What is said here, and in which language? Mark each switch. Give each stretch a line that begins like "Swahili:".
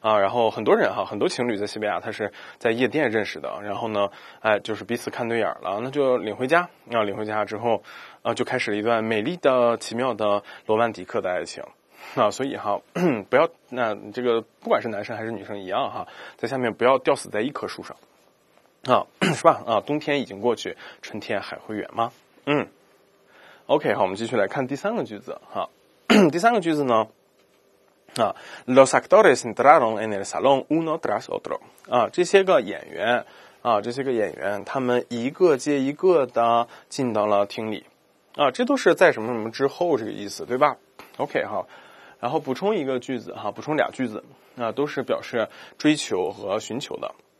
Chinese: 后很多人哈，很多情侣在西班牙他是在夜店认识的，然后呢就是彼此看对眼了，那就领回家，领回家之后就开始了一段美丽的奇妙的罗曼蒂克的爱情。所以哈，不要这个不管是男生还是女生一样哈，在下面不要吊死在一棵树上。是吧冬天已经过去春天还会远吗OK, 好，我们继续来看第三个句子哈。第三个句子呢
Spanish: Los actores entraron en el salón uno tras otro.
Chinese: 这些个演员他们一个接一个的进到了厅里。这都是在什么什么之后这个意思对吧 ?OK, 好。然后补充一个句子哈，补充俩句子都是表示追求和寻求的。